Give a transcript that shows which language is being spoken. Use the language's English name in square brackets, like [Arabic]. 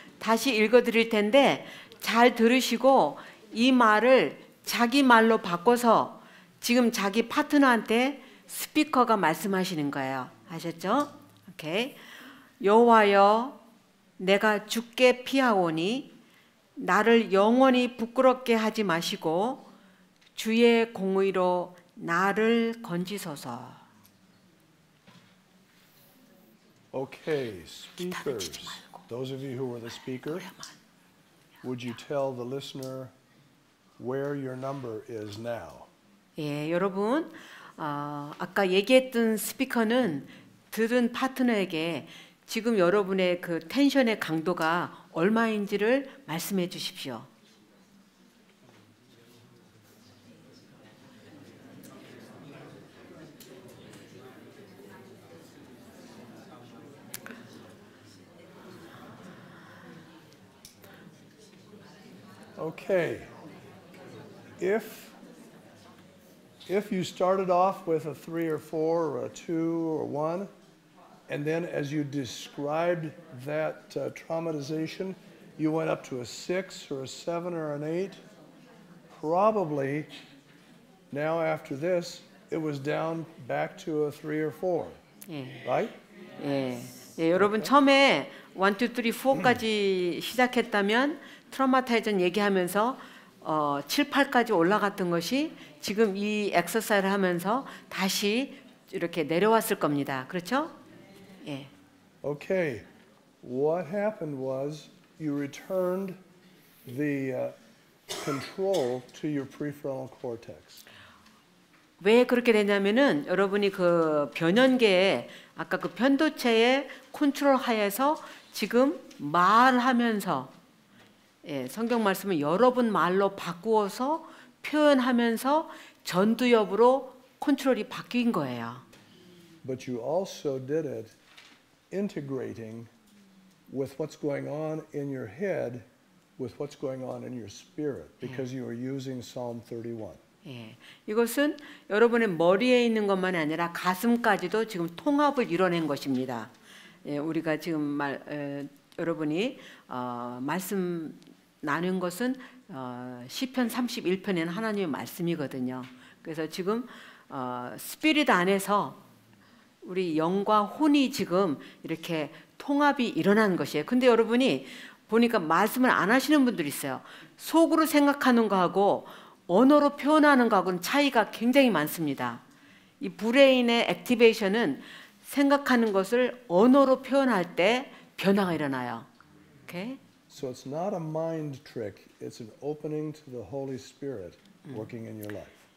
[Korean] 다시 읽어드릴 텐데 잘 들으시고 이 말을 자기 말로 바꿔서 지금 자기 파트너한테 스피커가 말씀하시는 거예요. 아셨죠? 오케이. 여호와여, 내가 주께 피하오니 나를 영원히 부끄럽게 하지 마시고 주의 공의로 나를 건지소서. [English] Okay, speakers. Those of you who were the speaker, would you tell the listener where your number is now? [Korean] 예, 여러분, 아까 얘기했던 스피커는 들은 파트너에게 지금 여러분의 그 텐션의 강도가 얼마인지를 말씀해 주십시오. [English] Okay, if you started off with a 3 or 4 or a 2 or 1, and then as you described that traumatization, you went up to a 6 or a 7 or an 8, probably now after this, it was down back to a 3 or 4, right? [Korean] Yes. 예. 예, 여러분 okay. 처음에 1, 2, 3, 4까지 시작했다면 트라우마타이전 얘기하면서 7, 8까지 올라갔던 것이 지금 이 엑서사이즈를 하면서 다시 이렇게 내려왔을 겁니다. 그렇죠? 예. [English] Okay. What happened was you returned the control to your prefrontal cortex. [Korean] 왜 그렇게 되냐면은 여러분이 그 변연계에 아까 그 편도체의 컨트롤 하에서 지금 말하면서 예, 성경 말씀을 여러분 말로 바꾸어서 표현하면서 전두엽으로 컨트롤이 바뀐 거예요. [English] But you also did it integrating with what's going on in your head with what's going on in your spirit because 예. you are using Psalm 31. [Korean] 예. 이것은 여러분의 머리에 있는 것만 아니라 가슴까지도 지금 통합을 이뤄낸 것입니다. 예, 우리가 지금 말 여러분이 말씀 나는 것은 시편 31편에는 하나님의 말씀이거든요. 그래서 지금 스피릿 안에서 우리 영과 혼이 지금 이렇게 통합이 일어난 것이에요. 근데 여러분이 보니까 말씀을 안 하시는 분들이 있어요. 속으로 생각하는 거하고 언어로 표현하는 거하고는 차이가 굉장히 많습니다. 이 브레인의 액티베이션은 생각하는 것을 언어로 표현할 때 변화가 일어나요. 오케이? [English] So it's not a mind trick. It's an opening to the Holy Spirit working in your life.